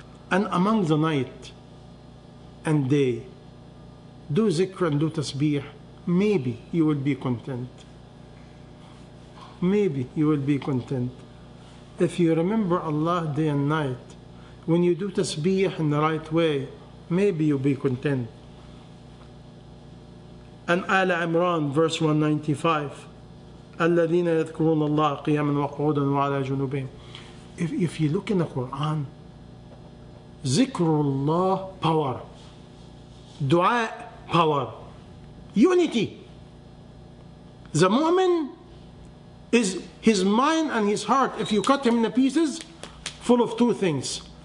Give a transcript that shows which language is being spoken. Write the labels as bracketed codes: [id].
[en] And among the night and day, do zikr and do tasbih, maybe you will be content. Maybe you will be content. If you remember Allah day and night, when you do tasbih in the right way, maybe you'll be content. And Al Imran, verse 195, [ar] الَّذِينَ يَذْكُرُونَ اللَّهَ قِيَامًا وَقُعُودًا وَعَلَى جُنُوبِهِمْ. [en] If you look in the Quran, zikrullah, power, dua, power, unity, The mu'min is his mind and his heart, if you cut him into pieces, full of two things.